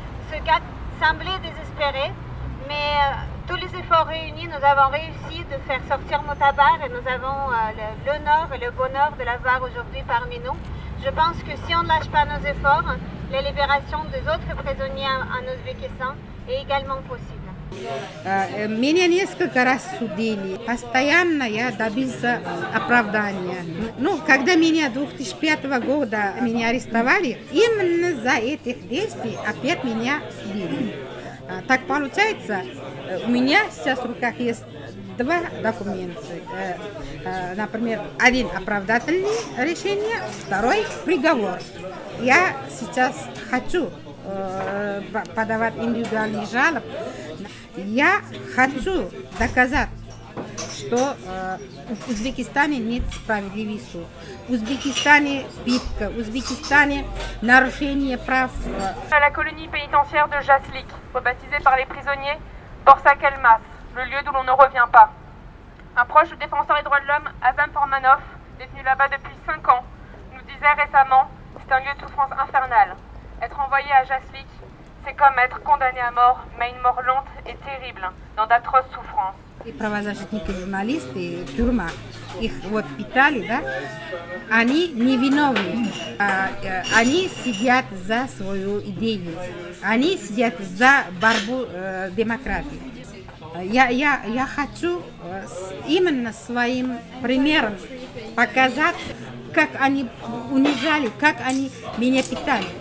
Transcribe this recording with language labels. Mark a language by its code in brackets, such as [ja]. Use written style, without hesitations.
[fr] Ce cas semblait désespéré, mais tous les efforts réunis, nous avons réussi de faire sortir Mutabar et nous avons l'honneur et le bonheur de l'avoir aujourd'hui parmi nous. Je pense que si on ne lâche pas nos efforts, la libération des autres prisonniers en Ouzbékistan est également possible. [ru] Меня несколько раз судили. Постоянно я добился оправдания. Ну, когда меня 2005 года меня арестовали, именно за этих действий опять меня судили. Так получается, у меня сейчас в руках есть два документа. Например, один оправдательное решение, второй приговор. Я сейчас хочу подавать индивидуальные жалобы. Я хочу доказать, что в Узбекистане нет справедливый суд. В Узбекистане битка, в Узбекистане нарушение прав. [fr] À la colonie pénitentiaire de Jaslik, rebaptisée par les prisonniers Borsak Elmas, le lieu d'où l'on ne revient pas. Un proche défenseur des droits de l'homme, Azam Formanov, détenu là-bas depuis 5 ans, nous disait récemment, c'est un lieu de souffrance infernale. Être envoyé à Jaslik, c'est comme être condamné à mort, mais une mort lente et terrible, dans d'atroces souffrances. [ru] Les правозащитники, журналисты, тюрьма, их вот питали, да? Они невиновны. Они сидят за свою идею. Они сидят за борьбу демократии. Я хочу именно своим примером показать, как они унижали, как они меня питали.